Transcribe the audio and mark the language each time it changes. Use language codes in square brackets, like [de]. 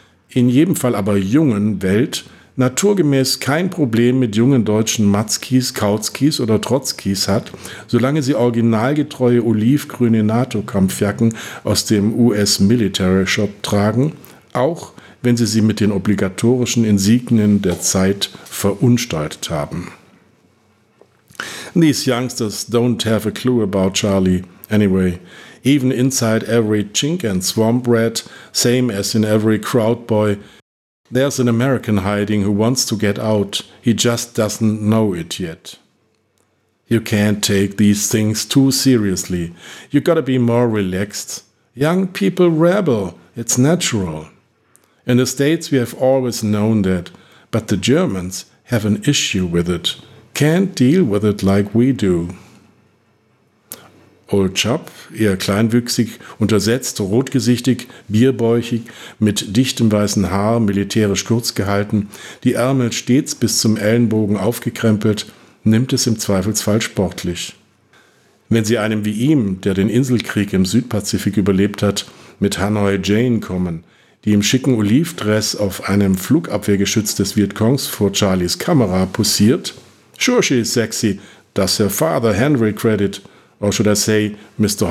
[de] in jedem Fall aber jungen Welt, naturgemäß kein Problem mit jungen deutschen Matzkis, Kautskis oder Trotzkis hat, solange sie originalgetreue olivgrüne NATO-Kampfjacken aus dem US-Military-Shop tragen, auch wenn sie sie mit den obligatorischen Insignien der Zeit verunstaltet haben. [en] These youngsters don't have a clue about Charlie, anyway. Even inside every chink and swamp rat, same as in every crowd boy, there's an American hiding who wants to get out. He just doesn't know it yet. You can't take these things too seriously. You gotta be more relaxed. Young people rebel. It's natural. In the States we have always known that, but the Germans have an issue with it. Can't deal with it like we do. [de] Old Chap, eher kleinwüchsig, untersetzt, rotgesichtig, bierbäuchig, mit dichtem weißen Haar, militärisch kurz gehalten, die Ärmel stets bis zum Ellenbogen aufgekrempelt, nimmt es im Zweifelsfall sportlich. Wenn sie einem wie ihm, der den Inselkrieg im Südpazifik überlebt hat, mit Hanoi Jane kommen, die im schicken Olivdress auf einem Flugabwehrgeschütz des Vietcongs vor Charlies Kamera posiert, [en] sure she is sexy, does her father Henry credit, or should I say, Mr.